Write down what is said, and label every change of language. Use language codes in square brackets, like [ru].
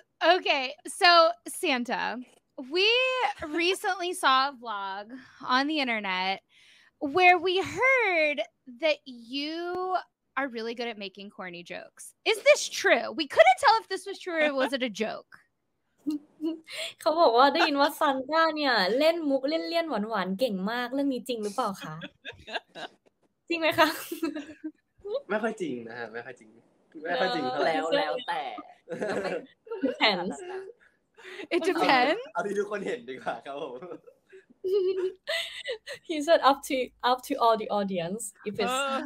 [en] Okay, so Santa, we recently saw a vlog on the internet where we heard that you are really good at making corny jokes. Is this true? We couldn't tell if this was true or was it a joke. [th] เขาบอกว่าได้ยินว่าซันต้าเนี่ยเล่นมุกเลี่ยนๆหวานๆเก่งมากเรื่องนี้จริงหรือเปล่าคะจริงไหมคะ ไม่ค่อยจริงนะฮะไม่ค่อยจริงไม่ค่อยจริง แล้วแต่ [en] depends it depends [th] เอาที่ทุกคนเห็นดีกว่าครับผม [en] he said up to all the audience if it's